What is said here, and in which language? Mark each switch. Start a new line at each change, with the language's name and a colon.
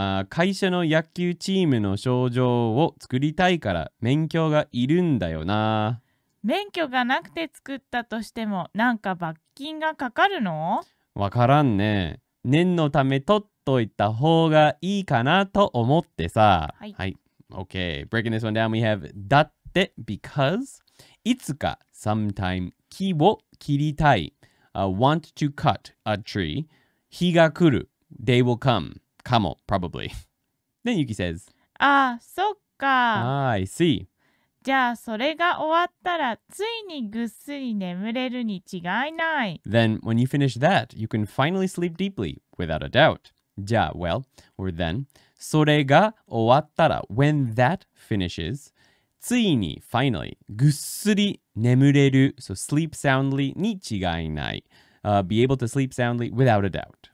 Japanese: 会社の野球チームの症状を作りたいから免許がいるんだよな。免許がなくて作ったとしてもなんか罰金がかかるの？わからんね。念のため取っといた方がいいかなと思ってさ。はい、はい。
English: Okay, breaking this one down, we have
Japanese: だって,
English: because,
Japanese: いつか,
English: sometime,
Japanese: 木を切りたい,
English: want to cut a tree,
Japanese: 日が来る,
English: they will come,
Japanese: かも,
English: probably. Then Yuki says,
Japanese: ああ、そっか。
English: I see.
Japanese: じゃあそれが終わったらついにぐっすり眠れるに違いない。
English: Then when you finish that, you can finally sleep deeply, without a doubt.
Japanese: じゃあ、
English: well, or then,
Japanese: それが終わったら、
English: when that finishes,
Japanese: ついに、
English: finally,
Japanese: ぐっすり眠れる、
English: so sleep soundly,
Japanese: に違いない、
English: be able to sleep soundly without a doubt.